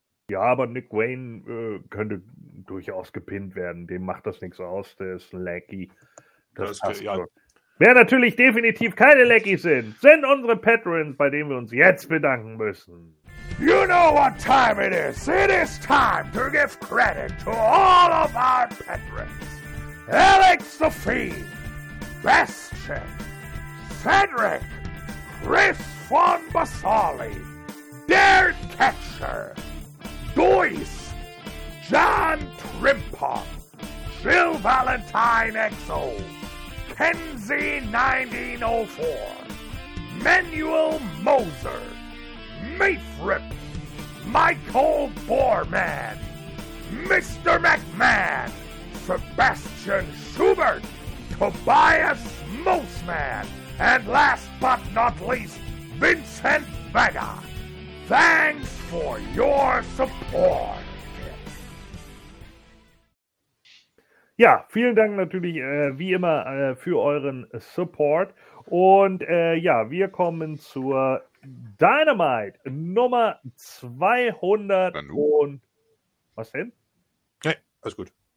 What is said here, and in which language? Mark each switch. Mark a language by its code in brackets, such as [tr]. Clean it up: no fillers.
[de] Ja, aber Nick Wayne könnte durchaus gepinnt werden. Dem macht das nichts aus, der ist ein Lackey. Wer natürlich definitiv keine Lackey sind unsere Patrons, bei denen wir uns jetzt bedanken müssen. [en] You know what time it is. It is time to give credit to all of our patrons. Alex the Fiend, Bastion, Cedric, Chris von Basali, Dare Catcher, Dois, John Trimpop, Jill Valentine XO, Kenzie 1904, Manuel Moser, Mayfrip, Michael Boorman, Mr. McMahon, Sebastian Schubert, Tobias Mosman, and last but not least, Vincent Vega. Thanks for your support. [de] Ja, vielen Dank natürlich wie immer für euren Support. Und ja, wir kommen zur Dynamite Nummer 200. Und was denn? Hey, alles gut.